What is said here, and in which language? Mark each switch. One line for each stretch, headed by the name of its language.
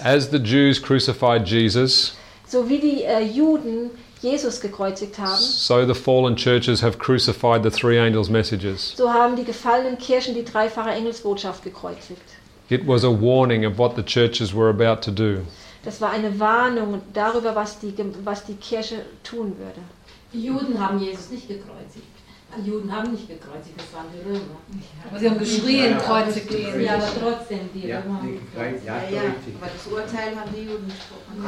English: As the Jews crucified Jesus.
German: So wie die Juden Jesus gekreuzigt haben.
English: So the fallen churches have crucified the three angels' messages.
German: So haben die gefallenen Kirchen die dreifache Engelsbotschaft gekreuzigt.
English: It was a warning of what the churches were about to do.
German: Das war eine Warnung darüber, was die Kirche tun würde. Die Juden haben Jesus nicht gekreuzigt. Die Juden haben nicht gekreuzigt, das waren die Römer. Aber sie haben geschrien, kreuzigt die Römer. Ja, aber trotzdem, die Römer haben gekreuzigt. Ja, ja, aber das Urteil haben die Juden gesprochen.